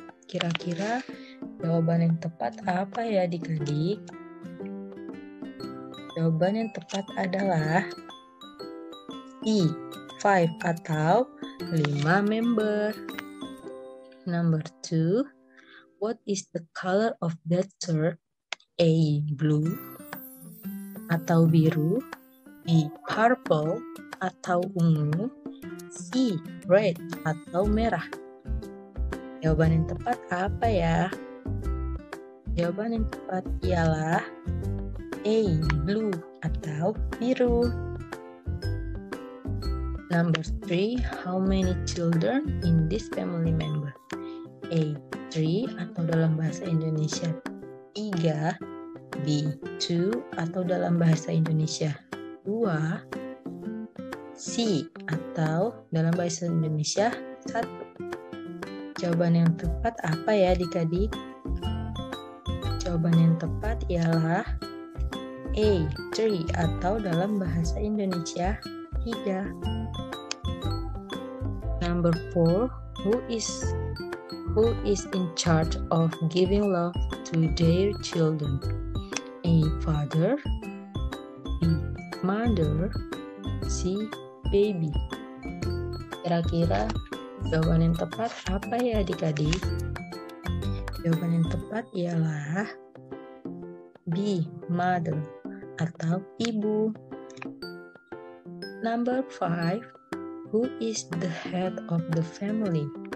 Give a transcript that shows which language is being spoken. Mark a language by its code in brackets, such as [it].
[id] Kira-kira jawaban yang tepat apa ya adik-adik? Jawaban yang tepat adalah C, 5 atau 5 member. [en] Number 2, what is the color of that shirt? [id] A, blue atau biru? B, purple atau ungu? C, red atau merah? Jawaban yang tepat apa ya? Jawaban yang tepat ialah A, blue atau biru. [en] Number 3, how many children in this family member? [id] A, 3 atau dalam bahasa Indonesia 3. B, 2 atau dalam bahasa Indonesia 2. C atau dalam bahasa Indonesia 1. Jawaban yang tepat apa ya adik-adik? Jawaban yang tepat ialah A, 3 atau dalam bahasa Indonesia 3. [en] Number 4, who is in charge of giving love to their children? A, father. B, mother. C, baby. [id] Kira-kira jawaban yang tepat apa ya adik-adik? Jawaban yang tepat ialah B, mother atau ibu. [en] Number 5, who is the head of the family?